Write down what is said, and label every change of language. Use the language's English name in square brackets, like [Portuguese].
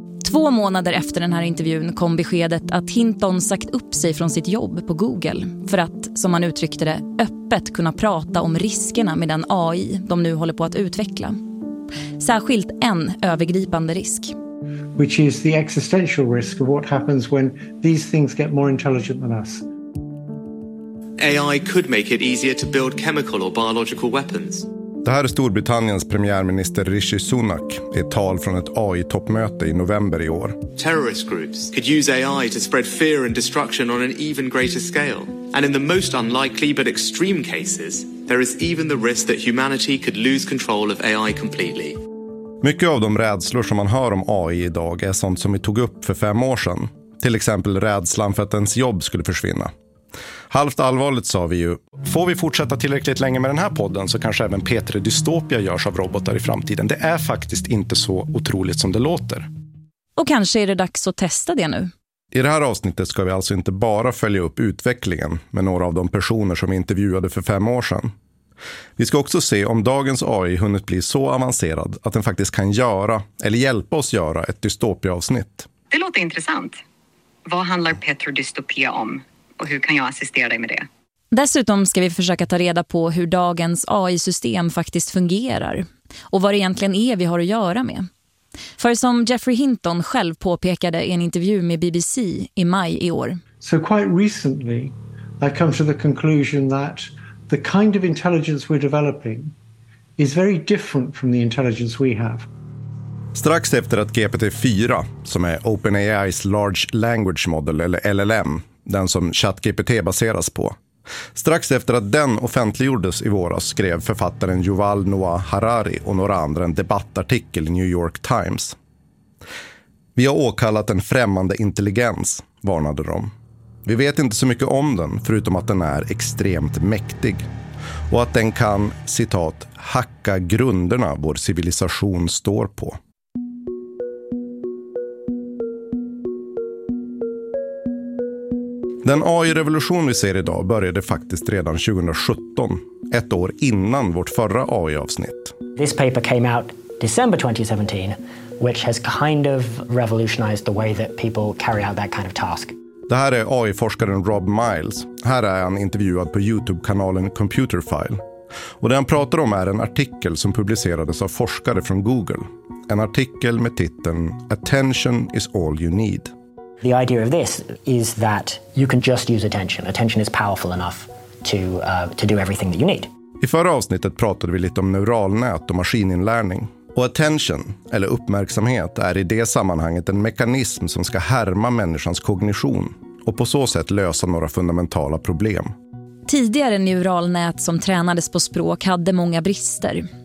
[Swedish] Två månader efter den här intervjun kom beskedet att Hinton sagt upp sig från sitt jobb på Google för att, som han uttryckte det, öppet kunna prata om riskerna med den AI de nu håller på att utveckla. Särskilt en övergripande risk. [English] Which is the existential risk of what happens when these things get more intelligent than us. AI could make it easier to build chemical or biological weapons. [Swedish] Det här är Storbritanniens premiärminister Rishi Sunak i ett tal från ett AI-toppmöte i november i år. [English] Terrorist groups could use AI to spread fear and destruction on an even greater scale. And in the most unlikely but extreme cases, there is even the risk that humanity could lose control of AI completely. [Swedish] Mycket av de rädslor som man hör om AI idag är sånt som vi tog upp för 5 år sedan. Till exempel rädslan för att ens jobb skulle försvinna. Halvt allvarligt sa vi ju, får vi fortsätta tillräckligt länge med den här podden så kanske även Petri Dystopia görs av robotar i framtiden. Det är faktiskt inte så otroligt som det låter. Och kanske är det dags att testa det nu. I det här avsnittet ska vi alltså inte bara följa upp utvecklingen med några av de personer som vi intervjuade för 5 år sedan. Vi ska också se om dagens AI hunnit bli så avancerad att den faktiskt kan göra, eller hjälpa oss göra, ett dystopia-avsnitt. Det låter intressant. Vad handlar Petri Dystopia om? Och hur kan jag assistera dig med det? Dessutom ska vi försöka ta reda på hur dagens AI-system faktiskt fungerar. Och vad det egentligen är vi har att göra med. För som Jeffrey Hinton själv påpekade i en intervju med BBC i maj i år. [English] So quite recently I come to the conclusion that the kind of intelligence we're developing is very different from the intelligence we have. [Swedish] Strax efter att GPT-4, som är OpenAI's Large Language Model, eller LLM, den som ChatGPT baseras på, Strax efter att den offentliggjordes i våras skrev författaren Yuval Noah Harari och några andra en debattartikel i New York Times. Vi har åkallat en främmande intelligens, varnade de. Vi vet inte så mycket om den förutom att den är extremt mäktig. Och att den kan, citat, hacka grunderna vår civilisation står på. Den AI-revolution vi ser idag började faktiskt redan 2017, ett år innan vårt förra AI-avsnitt. [English] This paper came out December 2017, which has kind of revolutionized the way that people carry out that kind of task. [Swedish] Det här är AI-forskaren Rob Miles. Här är han intervjuad på YouTube-kanalen Computerfile. Och det han pratar om är en artikel som publicerades av forskare från Google. En artikel med titeln Attention is all you need. [English] The idea of this is that you can just use attention. Attention is powerful enough to do everything that you need. [Swedish] I förra avsnittet pratade vi lite om neuralnät och maskininlärning. Och attention, eller uppmärksamhet, är i det sammanhanget en mekanism som ska härma människans kognition och på så sätt lösa några fundamentala problem. Tidigare neuralnät som tränades på språk hade många brister.